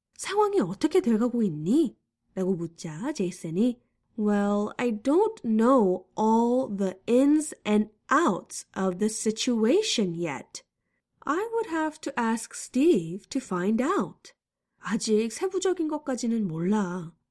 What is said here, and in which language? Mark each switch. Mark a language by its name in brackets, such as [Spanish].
[Korean] 상황이 어떻게 돼가고 있니? 라고 묻자 제이슨이 [English] Well, I don't know all the ins and outs of the situation yet. I would have to ask Steve to find out. [Korean] 아직 세부적인 것까지는 몰라.